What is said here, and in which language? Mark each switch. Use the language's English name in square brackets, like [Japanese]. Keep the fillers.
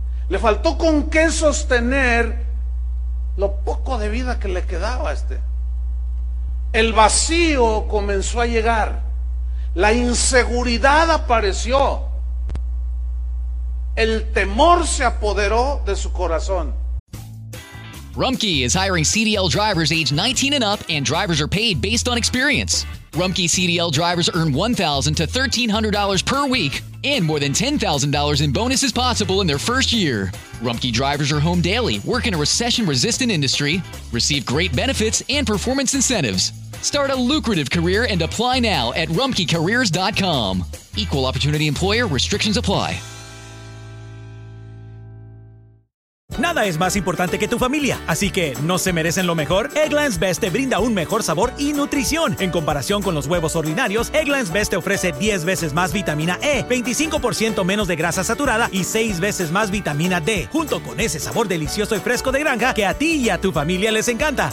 [Spanish] Le faltó con qué sostener lo poco de vida que le quedaba a este. El vacío comenzó a llegar. La inseguridad apareció. El temor se apoderó de su corazón. [English] Rumkey is hiring CDL drivers age 19 and up, and drivers are paid based on experience. Rumkey CDL drivers earn $1,000 to $1,300 per week and more than $10,000 in bonuses possible in their first year. Rumkey drivers are home daily, work in a recession resistant industry, receive great benefits and performance incentives. Start a lucrative career and apply now at rumkeycareers.com. Equal opportunity employer restrictions apply. [Spanish] es más importante que tu familia, así que ¿no se merecen lo mejor? Eggland's Best te brinda un mejor sabor y nutrición. En comparación con los huevos ordinarios, Eggland's Best te ofrece 10 veces más vitamina E, 25% menos de grasa saturada y 6 veces más vitamina D, junto con ese sabor delicioso y fresco de granja que a ti y a tu familia les encanta.